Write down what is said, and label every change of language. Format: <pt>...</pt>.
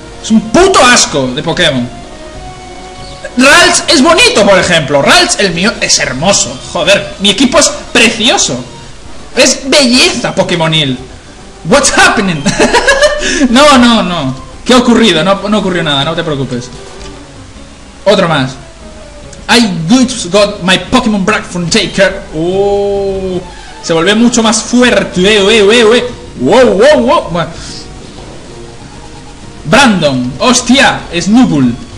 <es>Es un puto asco de Pokémon. Ralts es bonito, por ejemplo. Ralts, el mío, es hermoso. Joder, mi equipo es precioso. Es belleza Pokémonil.</es> <en>What's happening?</en> <es>No. ¿Qué ha ocurrido? No ocurrió nada, no te preocupes. Otro más.</es> <en>I just got my Pokémon back from Taker.</en> <es>Oh, se volvió mucho más fuerte. Wow. Brandon, hostia, Snubbull.</es>